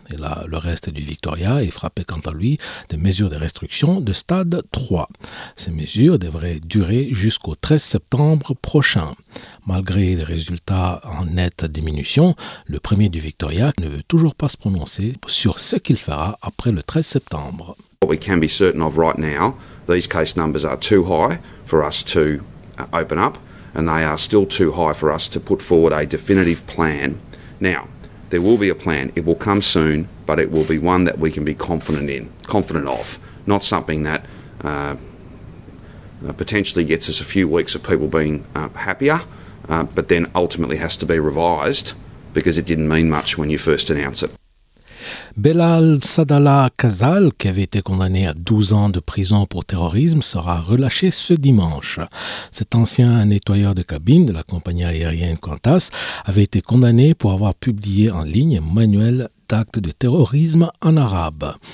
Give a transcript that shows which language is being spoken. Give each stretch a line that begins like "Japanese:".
French: Et là, le reste du Victoria est frappé quant à lui de mesures de restriction de stade 3. Ces mesures devraient durer jusqu'au 13 septembre prochain. Malgré les résultats en nette diminution, le premier du Victoria ne veut toujours pas se prononcer sur ce qu'il fera après le 13 septembre.
English: What we can be certain of right now, these case numbers are too high for us to open up, and they are still too high for us to put forward a definitive plan. Now, there will be a plan. It will come soon, but it will be one that we can be confident of. Not something that potentially gets us a few weeks of people being happier, but then ultimately has to be revised because it didn't mean much when you first announced it.
French: Belal Sadallah Khazal, qui avait été condamné à 12 ans de prison pour terrorisme, sera relâché ce dimanche. Cet ancien nettoyeur de cabine de la compagnie aérienne Qantas avait été condamné pour avoir publié en ligne un manuel d'actes de terrorisme en arabe.